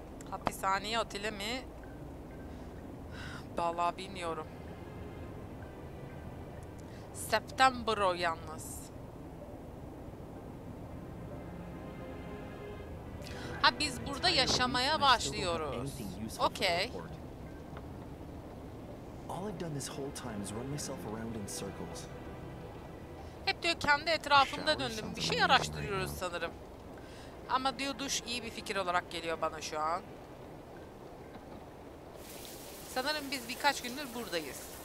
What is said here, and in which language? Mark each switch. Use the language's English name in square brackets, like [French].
[Turkish] Hapishaneye otele mi? Vallahi bilmiyorum. September o yalnız. Ha biz burada yaşamaya başlıyoruz. [English] Okay. All I've done this whole time is run myself around in circles. [Turkish] Hep diyor kendi etrafımda döndüm. Bir şey araştırıyoruz sanırım. Ama diyor duş iyi bir fikir olarak geliyor bana şu an. Sanırım biz birkaç gündür buradayız.